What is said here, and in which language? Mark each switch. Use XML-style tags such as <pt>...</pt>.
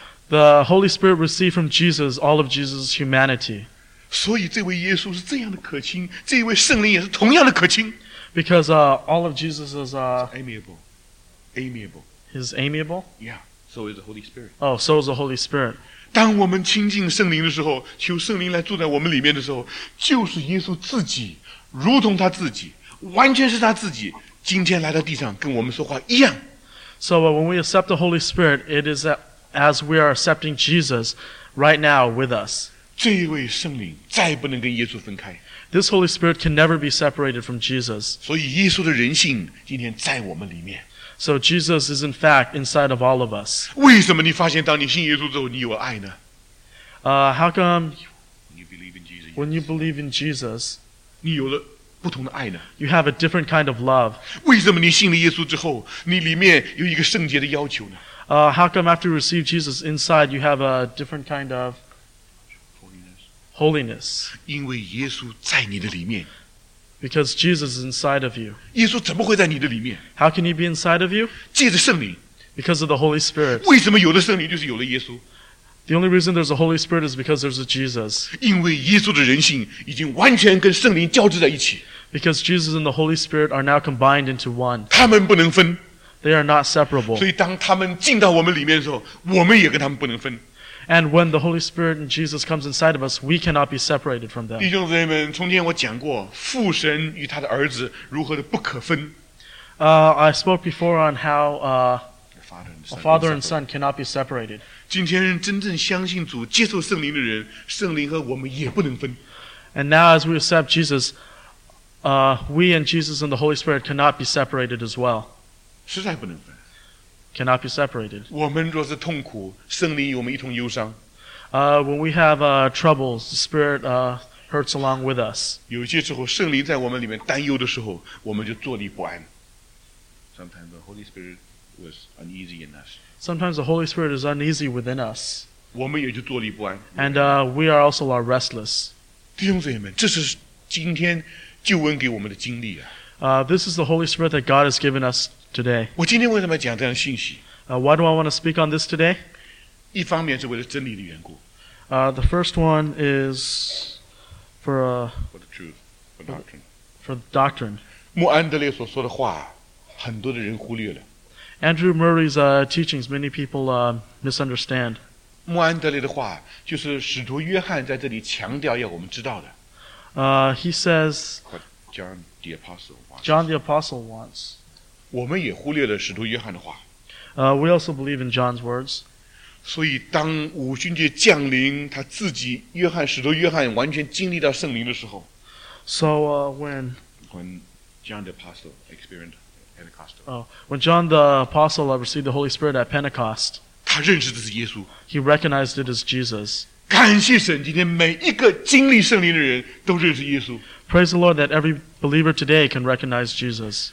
<en>The Holy Spirit received from Jesus all of Jesus' humanity.</en> <zh>所以这位耶稣是这样的可亲，这位圣灵也是同样的可亲。</zh> <en>Because all of Jesus is amiable. Amiable. He's amiable? Yeah, so is the Holy Spirit. Oh, so is the Holy Spirit.</en> <zh>当我们亲近圣灵的时候，求圣灵来住在我们里面的时候，就是耶稣自己，如同他自己。完全是他自己今天来到地上跟我们说话一样。</zh> <en>So when we accept the Holy Spirit, it is as we are accepting Jesus right now with us.</en> <zh>这一位圣灵再不能跟耶稣分开。</zh> <en>This Holy Spirit can never be separated from Jesus.</en> <zh>所以耶稣的人性今天在我们里面。</zh> <en>So Jesus is in fact inside of all of us.</en> <zh>为什么你发现当你信耶稣之后你有爱呢？</zh> <en>How come when you believe in Jesus, when you believe in Jesus</en> <zh>你有了不同的爱呢？</zh> <en>You have a different kind of love.</en> <zh>为什么你信了耶稣之后，你里面有一个圣洁的要求呢？</zh> <en>How come after you receive Jesus inside, you have a different kind of holiness?</en> <zh>因为耶稣在你的里面。</zh> <en>Because Jesus is inside of you.</en> <zh>耶稣怎么会在你的里面？</zh> <en>How can he be inside of you?</en> <zh>借着圣灵。</zh> <en>Because of the Holy Spirit.</en> <zh>为什么有了圣灵就是有了耶稣？</zh> <en>The only reason there's a Holy Spirit is because there's a Jesus.</en> <zh>因为耶稣的人性已经完全跟圣灵交织在一起。</zh> <en>Because Jesus and the Holy Spirit are now combined into one.</en> <zh>他们不能分。</zh> <en>They are not separable.</en> <zh>所以当他们进到我们里面的时候，我们也跟他们不能分。</zh> <en>And when the Holy Spirit and Jesus comes inside of us, we cannot be separated from them.</en> <zh>弟兄姊妹们，从前我讲过父神与他的儿子如何的不可分。</zh> <en>I spoke before on how a father and son cannot be separated.</en> <zh>今天真正相信主、接受圣灵的人，圣灵和我们也不能分。</zh> <en>And now, as we accept Jesus, we and Jesus and the Holy Spirit cannot be separated as well.</en> <zh>实在不能分。</zh> <en>Cannot be separated.</en> <zh>我们若是痛苦，圣灵与我们一同忧伤。</zh> <en>When we have troubles, the Spirit hurts along with us.</en> <zh>有些时候，圣灵在我们里面担忧的时候，我们就坐立不安。</zh> <en>Sometimes the Holy Spirit was uneasy in us. Sometimes the Holy Spirit is uneasy within us.</en> <zh>我们也就坐立不安。</zh> <en>And we are also are restless.</en> <zh>弟兄姊妹们，这是今天救恩给我们的经历啊。</zh> <en>This is the Holy Spirit that God has given us today.</en> <zh>我今天为什么讲这样的信息？</zh> <en>Why do I want to speak on this today?</en> <zh>一方面是为了真理的缘故。</zh> <en>The first one is for for the truth, for doctrine. For the doctrine.</en> <zh>穆安德烈所说的话。很多的人忽略了。</zh> <en>Andrew Murray's teachings, many people misunderstand.</en> <zh>穆安德烈的话就是使徒约翰在这里强调要我们知道的。</zh> <en>He says, What John the Apostle wants. John the Apostle wants.</en> <zh>我们也忽略了使徒约翰的话。</zh> <en>We also believe in John's words.</en> <zh>所以当五旬节降临，他自己约翰使徒约翰完全经历到圣灵的时候。</zh> <en>So when John the Apostle experienced. When John the Apostle received the Holy Spirit at Pentecost,</en> <zh>他认识的是耶稣。</zh> <en>He recognized it as Jesus.</en> <zh>感谢神，今天每一个经历圣灵的人都认识耶稣。</zh> <en>Praise the Lord that every believer today can recognize Jesus.</en>